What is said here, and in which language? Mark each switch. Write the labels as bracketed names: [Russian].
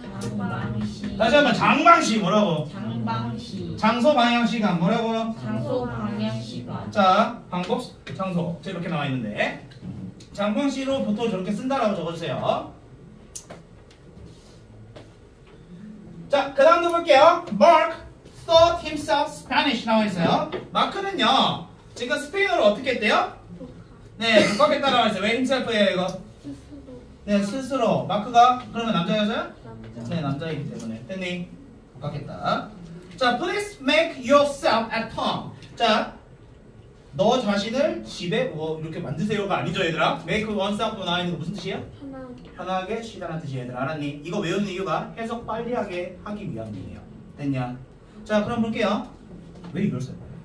[Korean] 장방시. 다시 한번 장방시 뭐라고? 장방시. 장소 방향시간 뭐라고? 장소 방향시간. 자, 방법 장소 이렇게 나와 있는데 장방시로 보통 저렇게 쓴다라고 적어주세요. 자, 그 다음도 볼게요. [English] Mark thought himself Spanish [Korean] 나와 있어요. 마크는요 지금 스페인어로 어떻게 했대요? 네, 독학했다라고 했어요. 왜 힘셀프예요 이거? 네, 스스로. 마크가 그러면 남자 여자? 남자. 네, 남자이기 때문에 됐니? 독학했다. [English] 자, please make yourself at home. [Korean] 자, 너 자신을 집에 뭐 이렇게 만드세요가 아니죠 얘들아? [English] make oneself [Korean] 나와 있는 거 무슨 뜻이에요? 편하게 쉬다라는 뜻이에요 얘들아. 알았니? 이거 외우는 이유가 해석 빨리하게 하기 위함이에요. 됐냐? 자, 그럼 볼게요. 왜 이걸 써요?